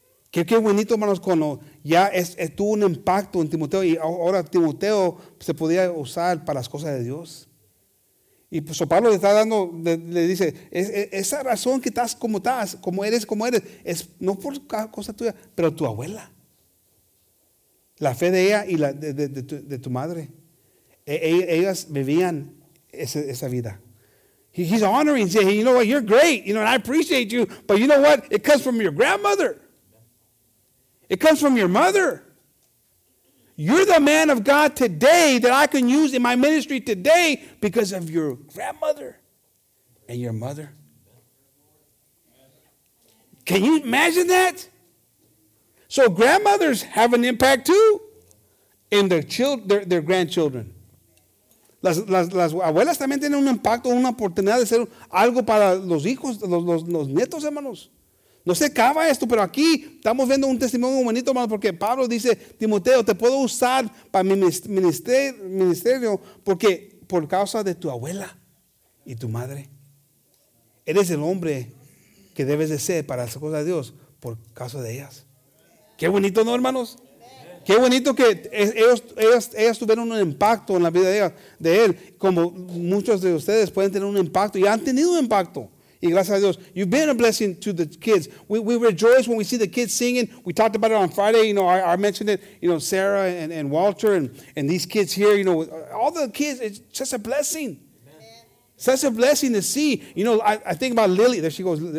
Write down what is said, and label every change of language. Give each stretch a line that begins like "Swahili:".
Spanish: Qué bonito, hermanos, cuando ya tuvo un impacto en Timoteo y ahora Timoteo se podía usar para las cosas de Dios. Y pues Pablo le está dando, le dice, esa razón que estás, como eres, es no por cosa tuya, pero tu abuela. La fe de ella y la de tu madre. Ellas vivían esa vida.
English: He's honoring, saying, you know what, you're great, you know, and I appreciate you, but you know what, it comes from your grandmother. It comes from your mother. You're the man of God today that I can use in my ministry today because of your grandmother and your mother. Can you imagine that? So grandmothers have an impact too in their grandchildren.
Spanish: Las abuelas también tienen un impacto, una oportunidad de hacer algo para los hijos, los nietos, hermanos. No se acaba esto, pero aquí estamos viendo un testimonio bonito, hermano, porque Pablo dice, Timoteo, te puedo usar para mi ministerio porque por causa de tu abuela y tu madre. Eres el hombre que debes de ser para las cosas de Dios por causa de ellas. Qué bonito, ¿no, hermanos? Qué bonito que ellas tuvieron un impacto en la vida de él, como muchos de ustedes pueden tener un impacto y han tenido un impacto. Y gracias a Dios,
English: you've been a blessing to the kids. We rejoice when we see the kids singing. We talked about it on Friday. You know, I mentioned it. You know, Sarah and Walter and these kids here. You know, all the kids, it's just a blessing. Amen. Such a blessing to see. You know, I think about Lily. There she goes.